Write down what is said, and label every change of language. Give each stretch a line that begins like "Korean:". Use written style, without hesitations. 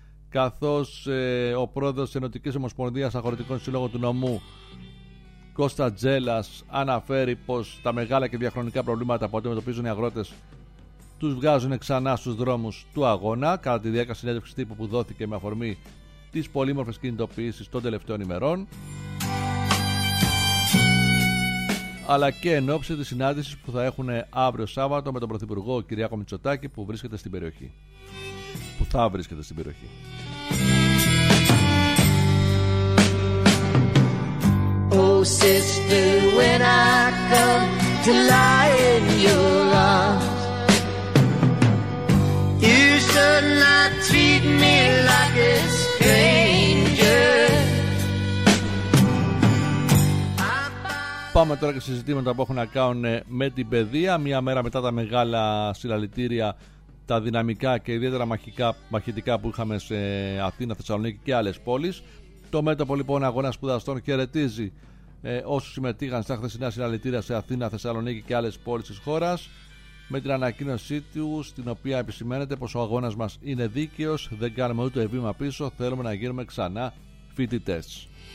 Greek: καθώς ο πρόεδρος της Ενωτικής Ομοσπονδίας Αγροτικών Συλλόγων του Νομού Κώστα Τζέλας αναφέρει πως τα μεγάλα και διαχρονικά προβλήματα που αντιμετωπίζουν οι αγρότες τους βγάζουν ξανά στους δρόμους του αγώνα, κατά τη διάρκεια συνέντευξης τύπου που δόθηκε με αφορμή τις πολύμορφες κινητοποιήσεις των τελευταίων ημερών, αλλά και εν ώψη της συνάντησης που θα έχουν αύριο Σάββατο με τον Πρωθυπουργό Κυριάκο Μητσοτάκη που βρίσκεται στην περιοχή. Που θα βρίσκεται στην περιοχή.
English: Oh sister, when I come to lie in your arms, you should not treat me like a stranger.
Greek: Πάμε τώρα και σε ζητήματα που έχουν να κάνουν με την παιδεία. Μια μέρα μετά τα μεγάλα συλλαλητήρια, τα δυναμικά και ιδιαίτερα μαχητικά που είχαμε σε Αθήνα, Θεσσαλονίκη και άλλες πόλεις. Το μέτωπο λοιπόν αγώνα σπουδαστών χαιρετίζει όσους συμμετείχαν στα χθεσινά συλλαλητήρια σε Αθήνα, Θεσσαλονίκη και άλλες πόλεις της χώρας, με την ανακοίνωσή του, στην οποία επισημαίνεται πως ο αγώνας μας είναι δίκαιος, δεν κάνουμε ούτε βήμα πίσω, θέλουμε να γίνουμε ξανά φοιτητές.